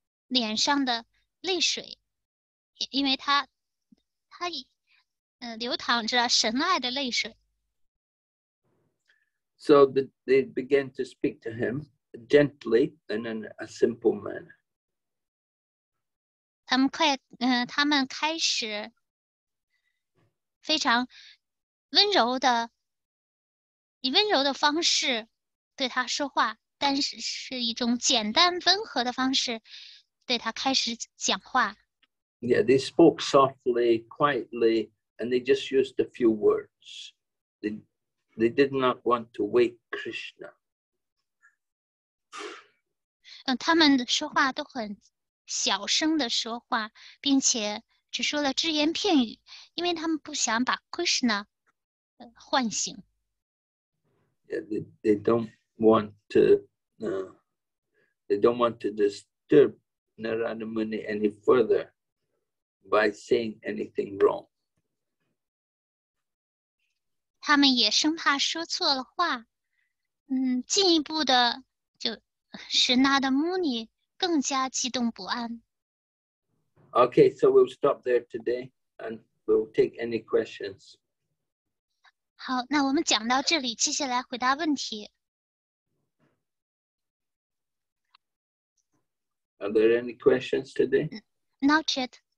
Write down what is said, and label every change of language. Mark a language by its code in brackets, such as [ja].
[zh] 脸上的泪水，因为他流淌着神爱的泪水。 [en] So they began to speak to him gently and in a simple manner. [zh] 他们开始非常温柔的，以温柔的方式对他说话，但是是一种简单温和的方式。对他开始讲话。 [en] Yeah, they spoke softly, quietly, and they just used a few words. They did not want to wake Krishna. [zh] 他们说话都很小声的说话，并且只说了只言片语，因为他们不想把 Krishna 唤醒。 [en] Yeah, they don't want to disturb. Narada Muni any further by saying anything wrong. [zh] 他们也生怕说错了话，进一步的就使 Narada Muni 更加激动不安。 [en] Okay, so we'll stop there today, and we'll take any questions. [zh] 好，那我们讲到这里，接下来回答问题。 [en] Are there any questions today? Not yet.